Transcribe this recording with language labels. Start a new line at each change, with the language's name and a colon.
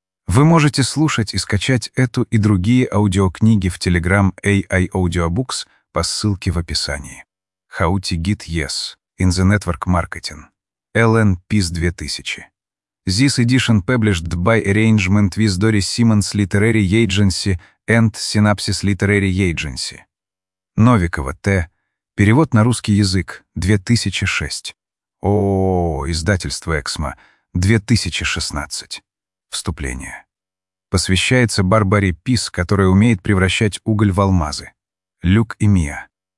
Russian: Вы можете слушать и скачать эту и другие аудиокниги в Telegram AI Audiobooks по ссылке в описании.
English: How to get yes in the network marketing. LN PIS 2000. This edition published by arrangement with Dori Simmons Literary Agency and Synapsis Literary Agency.
Russian: Новикова, Т. Перевод на русский язык. 2006. Издательство Эксмо. 2016. Вступление. Посвящается Барбаре Пис, которая умеет превращать уголь в алмазы. Люк и Мия.